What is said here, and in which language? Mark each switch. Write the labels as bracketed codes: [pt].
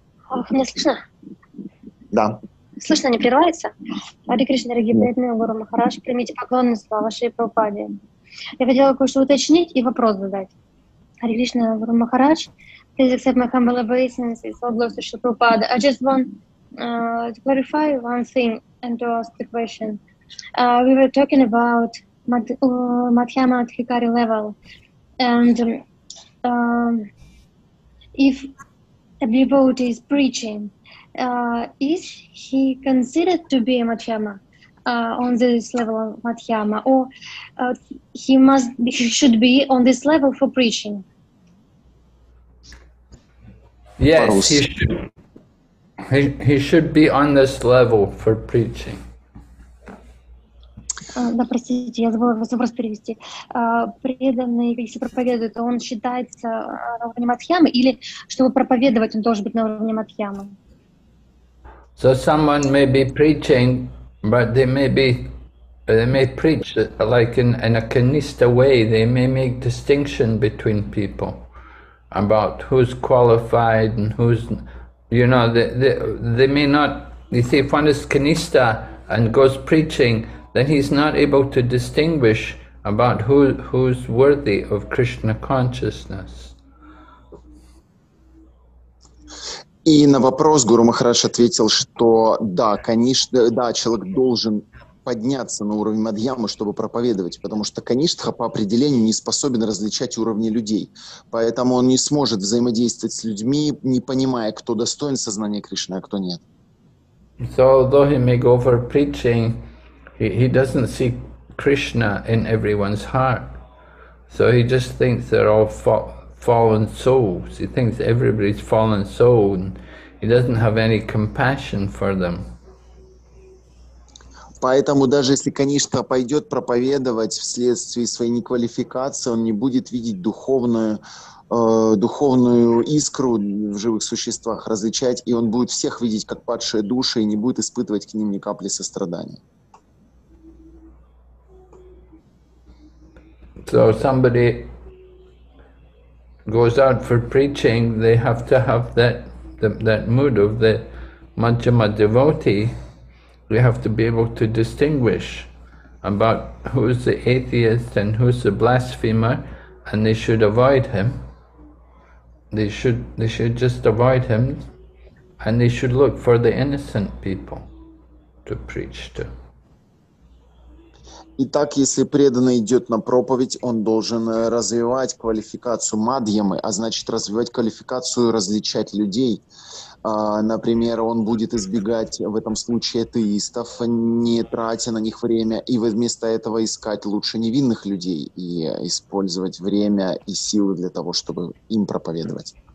[ru] Ох, меня слышно? Да. Слышно, не прерывается? Хари Кришна, дорогие преданные, Гуру Махарадж, примите поклоны слова Шри Прабхупаде. Я хотела кое-что уточнить и вопрос задать. [en] Хари Кришна, Гуру Махарадж, please accept my humble obeisances, all glories to Шри Прабхупада. I just want to clarify one thing and to ask the question. We were talking about Madhyama Adhikari level. And if a devotee is preaching, is he considered to be a Madhyama on this level of Madhyama, or he should be on this level for preaching? Yes, he should be on this level for preaching. [ru] Да, простите, я забыла вопрос перевести. Преданный, если проповедует, он считается на уровне Мадхьямы, или чтобы проповедовать, он должен быть на уровне Мадхьямы? [en] So someone may be preaching, but they may preach like in a kanista way. They may make distinction between people about who's qualified and who's, you know, they may not. You see, if one is kanista and goes preaching, then he's not able to distinguish about who's worthy of Krishna consciousness. [ru] И на вопрос Гуру Махарадж ответил, что да, конечно, да, человек должен подняться на уровень Мадьямы, чтобы проповедовать, потому что Каништха по определению не способен различать уровни людей. Поэтому он не сможет взаимодействовать с людьми, не понимая, кто достоин сознания Кришны, а кто нет. [en] So although he may go for preaching, he doesn't see Krishna in everyone's heart. So he just thinks they're all fallen souls. He thinks everybody's fallen soul. And he doesn't have any compassion for them. [ru] Поэтому даже если Канишка пойдет проповедовать вследствие своей неквалификации, он не будет видеть духовную искру в живых существах, различать, и он будет всех видеть как падшие души и не будет испытывать к ним ни капли сострадания. [en] So somebody goes out for preaching, they have to have that mood of the Madhyama devotee. We have to be able to distinguish about who's the atheist and who's the blasphemer, and they should avoid him. They should just avoid him, and they should look for the innocent people to preach to. [ru] Итак, если преданный идет на проповедь, он должен развивать квалификацию мадьямы, а значит развивать квалификацию различать людей. Например, он будет избегать в этом случае атеистов, не тратя на них время, и вместо этого искать лучше невинных людей и использовать время и силы для того, чтобы им проповедовать.